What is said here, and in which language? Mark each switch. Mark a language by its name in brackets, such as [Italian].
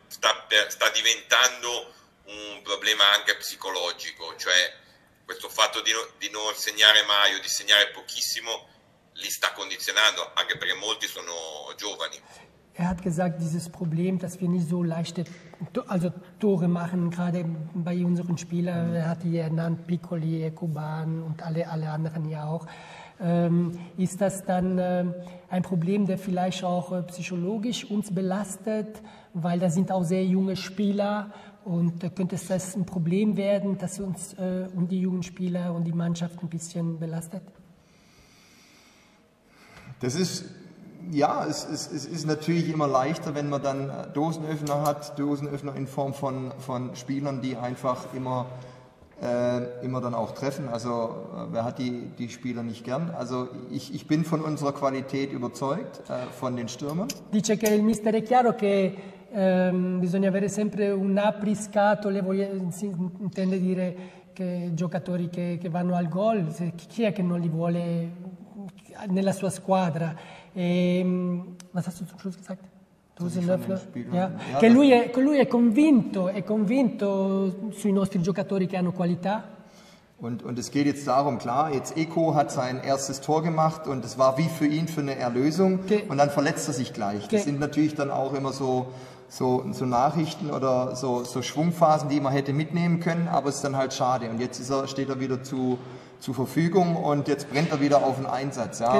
[Italian] sta diventando un problema anche psicologico, cioè questo fatto di non segnare mai o di segnare pochissimo li sta condizionando, anche perché molti sono giovani. [German] Er hat gesagt, dieses Problem, dass wir nicht so leichte also Tore machen, gerade bei unseren Spielern, er hat die ernannt, Piccoli, Ekuban und alle anderen ja auch, ist das dann ein Problem, der vielleicht auch psychologisch uns belastet, weil da sind auch sehr junge Spieler und könnte das ein Problem werden, dass uns und die jungen Spieler und die Mannschaft ein bisschen belastet? Das ist... Ja, es ist natürlich immer leichter, wenn man dann Dosenöffner hat, Dosenöffner in Form von Spielern, die einfach immer, immer dann auch treffen. Also wer hat die Spieler nicht gern? Also ich bin von unserer Qualität überzeugt, von den Stürmern. [Italian] Dice che il mister è chiaro che bisogna avere sempre un apriscatole, intende dire che giocatori che vanno al gol, chi è che non li vuole nella sua squadra? [German] Was hast du zum Schluss gesagt? Dosenöffner? Ja. [Italian] Che lui è convinto sui nostri giocatori che hanno qualità. [German] Und es geht jetzt darum, klar, jetzt Eko hat sein erstes Tor gemacht und es war wie für ihn für eine Erlösung und dann verletzt er sich gleich. Das sind natürlich dann auch immer so Nachrichten oder so Schwungphasen, die man hätte mitnehmen können, aber es ist dann halt schade. Und jetzt steht er wieder zur Verfügung und jetzt brennt er wieder auf den Einsatz. Ja?